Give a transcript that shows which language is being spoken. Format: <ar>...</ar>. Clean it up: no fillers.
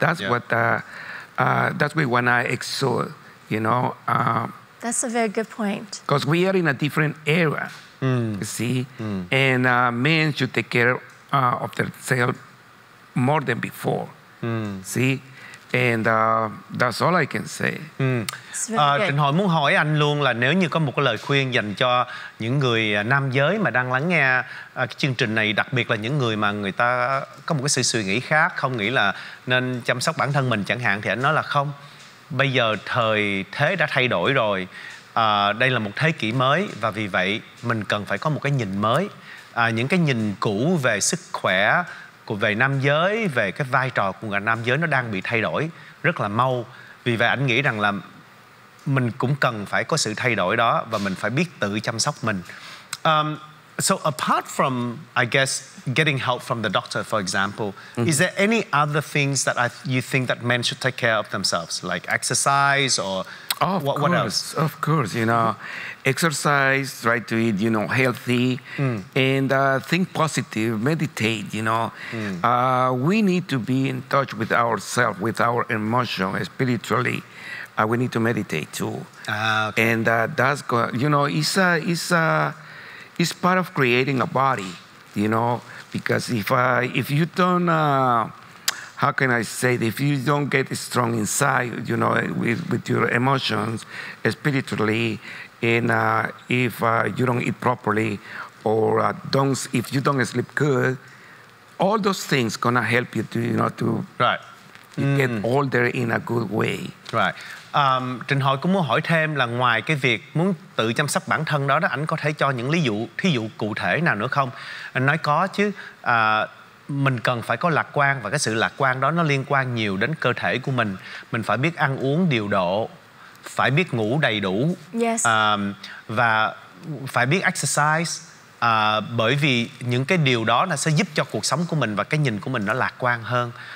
<en>That's that's what we wanna exude, you know. That's a very good point. Because we are in a different era, And men should take care of themselves more than before. See, and that's all I can say.</en> <vi>Trịnh Hội muốn hỏi anh luôn là nếu như có một cái lời khuyên dành cho những người nam giới mà đang lắng nghe chương trình này, đặc biệt là những người mà người ta có một cái sự suy nghĩ khác, không nghĩ là nên chăm sóc bản thân mình chẳng hạn, thì anh nói là không. Bây giờ thời thế đã thay đổi rồi, đây là một thế kỷ mới, và vì vậy mình cần phải có một cái nhìn mới. Những cái nhìn cũ về sức khỏe, về nam giới, về cái vai trò của người nam giới nó đang bị thay đổi rất là mau. Vì vậy anh nghĩ rằng là mình cũng cần phải có sự thay đổi đó, và mình phải biết tự chăm sóc mình.</vi> <en>So apart from, I guess, getting help from the doctor, for example, is there any other things that you think that men should take care of themselves, like exercise or what else? Of course, you know, exercise, try to eat, you know, healthy, and think positive, meditate, you know. We need to be in touch with ourselves, with our emotion, spiritually. We need to meditate too, and that's good. You know, it's part of creating a body, you know, because if you don't, how can I say it? If you don't get strong inside, you know, with your emotions, spiritually, and if you don't eat properly, or if you don't sleep good, all those things gonna help you to, you know, to get older in a good way. Right.</en> <vi>Trịnh Hội cũng muốn hỏi thêm là ngoài cái việc muốn tự chăm sóc bản thân đó, anh có thể cho những lý dụ, thí dụ cụ thể nào nữa không? Anh nói có chứ. Mình cần phải có lạc quan, và cái sự lạc quan đó nó liên quan nhiều đến cơ thể của mình. Mình phải biết ăn uống điều độ, phải biết ngủ đầy đủ, và phải biết exercise, bởi vì những cái điều đó nó sẽ giúp cho cuộc sống của mình và cái nhìn của mình nó lạc quan hơn.</vi>